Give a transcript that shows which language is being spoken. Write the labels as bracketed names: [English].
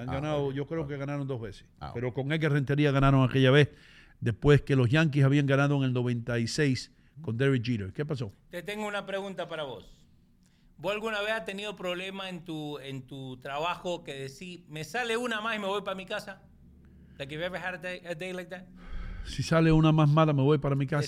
[Spanish] Han ganado, yo creo que ganaron dos veces. Pero con Edgar Rentería ganaron aquella vez, después que los Yankees habían ganado en el 96 con Derek Jeter. ¿Qué pasó? Te tengo una pregunta para vos. ¿Vos alguna vez has tenido problema en tu trabajo que decís, me sale una más y me voy para mi casa? [English] Like if you ever had a day like that? [Spanish] Si sale una más mala, me voy para mi casa.